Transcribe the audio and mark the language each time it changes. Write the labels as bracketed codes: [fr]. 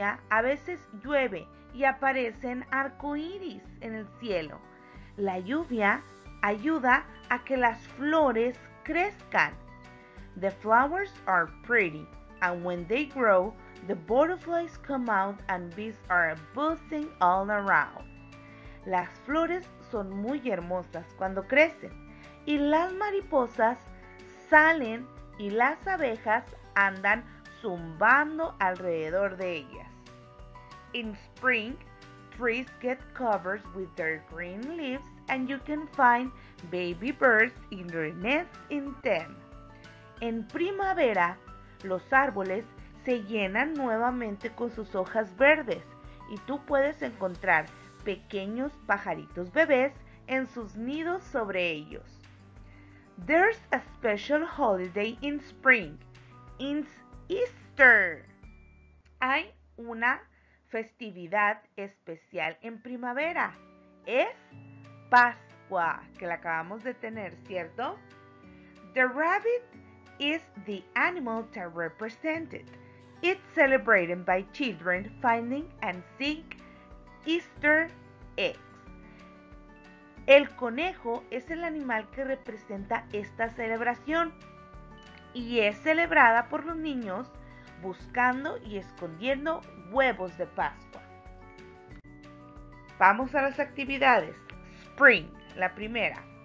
[es] A veces llueve y aparecen arcoíris en el cielo. La lluvia ayuda a que las flores crezcan. [en] The flowers are pretty and when they grow, the butterflies come out and bees are buzzing all around. [es] Las flores son muy hermosas cuando crecen y las mariposas salen y las abejas andan zumbando alrededor de ellas. [en] In spring, trees get covered with their green leaves and you can find baby birds in their nests in them. [es] En primavera, los árboles se llenan nuevamente con sus hojas verdes y tú puedes encontrar pequeños pajaritos bebés en sus nidos sobre ellos. [en] There's a special holiday in spring. It's Easter. [es] Hay una festividad especial en primavera. Es Pascua, que la acabamos de tener, ¿cierto? [en] The rabbit is the animal to represent it. It's celebrated by children finding and seeing Easter eggs. [es] El conejo es el animal que representa esta celebración y es celebrada por los niños buscando y escondiendo huevos de Pascua. Vamos a las actividades. Spring, la primera.